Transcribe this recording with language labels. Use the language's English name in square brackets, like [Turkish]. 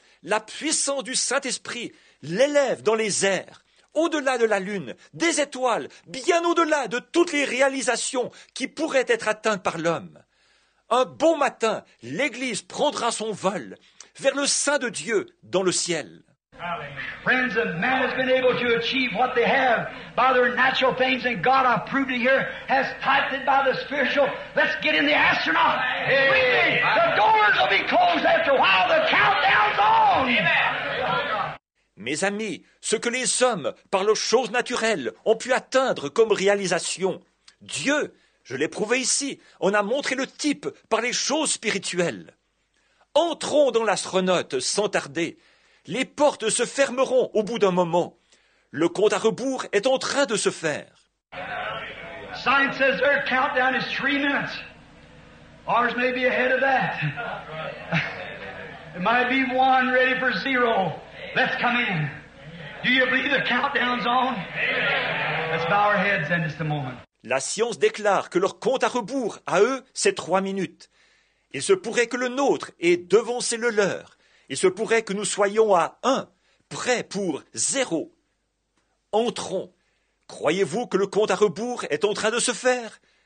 [French] La puissance du Saint-Esprit l'élève dans les airs, au-delà de la lune, des étoiles, bien au-delà de toutes les réalisations qui pourraient être atteintes par l'homme. Un bon matin, l'Église prendra son vol vers le sein de Dieu dans le ciel. [English] Friends, a man has been able to achieve what they have by their natural things, and God, I've proved it here, has typed it by the spiritual. Let's get in the astronaut. The doors will be closed after a while. The countdown's on. [French] Mes amis, ce que les hommes, par leurs choses naturelles, ont pu atteindre comme réalisation, Dieu, je l'ai prouvé ici, on a montré le type par les choses spirituelles. Entrons dans l'astronaute sans tarder. Les portes se fermeront au bout d'un moment. Le compte à rebours est en train de se faire. [English] Science says their countdown is 3 minutes. Ours may be ahead of that. It might be 1 ready for 0. Let's come in. Do you believe the countdown's on? Let's bow our heads in just a moment. [French] La science déclare que leur compte à rebours, à eux, c'est 3 minutes. Il se pourrait que le nôtre ait devancé le leur. Il se pourrait que nous soyons à 1, prêts pour 0. Entrons. Croyez-vous que le compte à rebours est en train de se faire?